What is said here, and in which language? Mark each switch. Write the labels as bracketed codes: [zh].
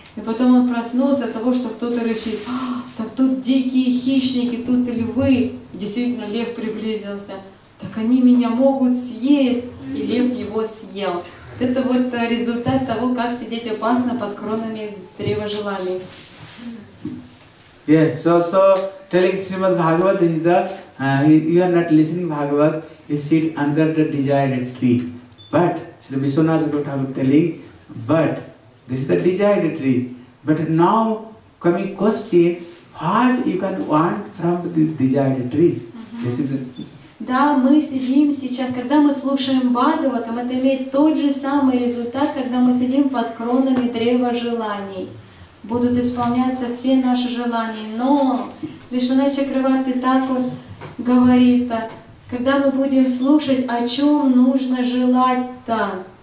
[ru] И потом он проснулся от того, что кто-то рычит: «Так тут дикие хищники, тут и львы!» И действительно, лев приблизился. «Так они меня могут съесть!» И лев его съел. Это вот результат того, как сидеть опасно под кронами древа желаний. [en] Yeah, so telling Srimad Bhagavat is that you are not listening Bhagavat, you sit under the desired tree. But Sri Viswanath Gautama telling, but this is the desired tree. But now coming question, what you can want from the desired tree? This is the, [ru] да, мы сидим сейчас, когда мы слушаем Бхагаватам, это имеет тот же самый результат, когда мы сидим под кронами древа желаний. Будут исполняться все наши желания. Но Вишванат Чакраварти Такур говорит, когда мы будем слушать, о чем нужно желать-то.